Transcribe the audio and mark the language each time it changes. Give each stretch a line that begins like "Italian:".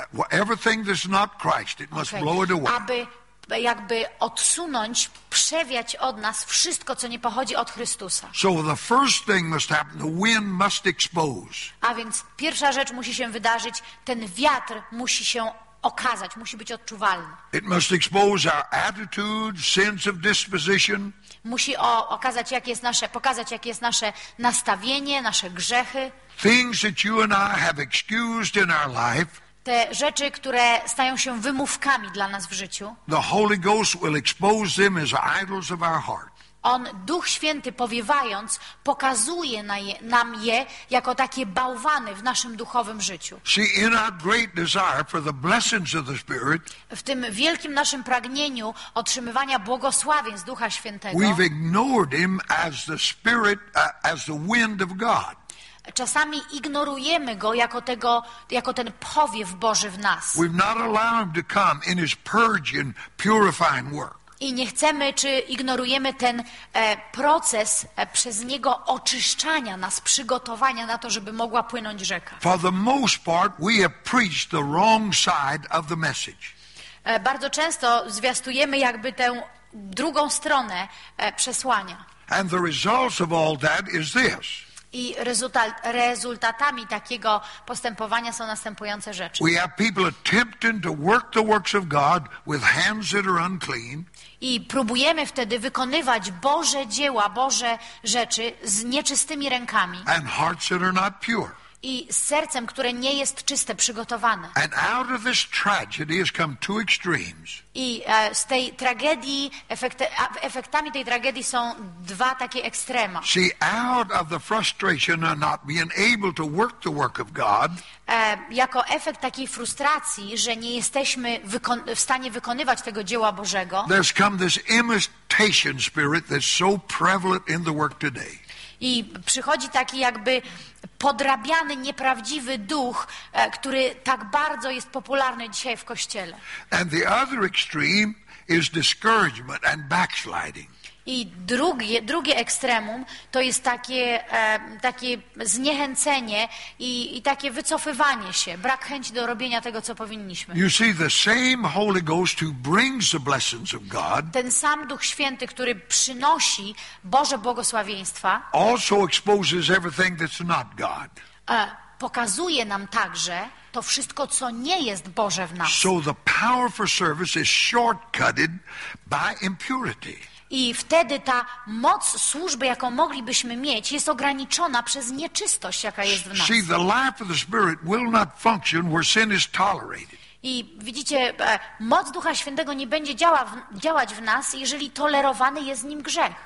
English: Everything that's not Christ, it must blow it away.
Polish: Aby jakby odsunąć, przewiać od nas wszystko, co nie pochodzi od Chrystusa.
English: So the first thing must happen, the wind must expose.
Polish: A więc pierwsza rzecz musi się wydarzyć, ten wiatr musi się okazać, musi być odczuwalny.
English: It must expose our attitude, sense of disposition.
Polish: Musi okazać, jak jest nasze, pokazać, jakie jest nasze nastawienie, nasze grzechy.
English: Things that you and I have excused in our life.
Polish: Te rzeczy, które stają się wymówkami dla nas w życiu.
English: The Holy Ghost will expose them as idols of our heart.
Polish: On, Duch Święty powiewając, pokazuje nam je jako takie bałwany w naszym duchowym życiu.
English: See, in our great desire for the blessings of the Spirit,
Polish: w tym wielkim naszym pragnieniu otrzymywania błogosławień z Ducha Świętego,
English: we've ignored him as the Spirit, as the wind of God.
Polish: Czasami ignorujemy go jako tego, jako ten powiew Boży w nas.
English: We've not allowed him to come in his purging, purifying work.
Polish: I nie chcemy, czy ignorujemy ten proces przez Niego oczyszczania nas, przygotowania na to, żeby mogła płynąć rzeka.
English: For the most part, we have preached the wrong side of the message.
Polish: Bardzo często zwiastujemy jakby tę drugą stronę przesłania.
English: And the results of all that is this.
Polish: I rezultatami takiego postępowania są następujące rzeczy.
English: We have people attempting to work the works of God with hands that are unclean.
Polish: I próbujemy wtedy wykonywać Boże dzieła, Boże rzeczy z nieczystymi rękami.
English: And hearts that are not pure.
Polish: I z sercem, które nie jest czyste, przygotowane.
English: And out of this tragedy has come two extremes.
Polish: I z tej tragedii, efektami tej tragedii są dwa takie ekstrema.
English: See, out of the frustration of not being able to work the work of God,
Polish: jako efekt takiej frustracji, że nie jesteśmy w stanie wykonywać tego dzieła Bożego,
English: there's come this imitation spirit that's so prevalent in the work today.
Polish: I przychodzi taki jakby podrabiany, nieprawdziwy duch, który tak bardzo jest popularny dzisiaj w Kościele.
English: And the other extreme is discouragement and backsliding.
Polish: I drugie ekstremum to jest takie zniechęcenie i takie wycofywanie się, brak chęci do robienia tego, co powinniśmy.
English: You see, the same Holy Ghost who brings the blessings of God,
Polish: ten sam Duch Święty, który przynosi Boże błogosławieństwa,
English: also exposes everything that's not God.
Polish: Pokazuje nam także to wszystko, co nie jest Boże w nas.
English: So the power for service is shortcutted by impurity.
Polish: I wtedy ta moc służby, jaką moglibyśmy mieć, jest ograniczona przez nieczystość, jaka jest w nas.
English: See, the life of the Spirit will not function where sin is tolerated.
Polish: I widzicie, moc Ducha Świętego nie będzie działać w nas, jeżeli tolerowany jest nim grzech.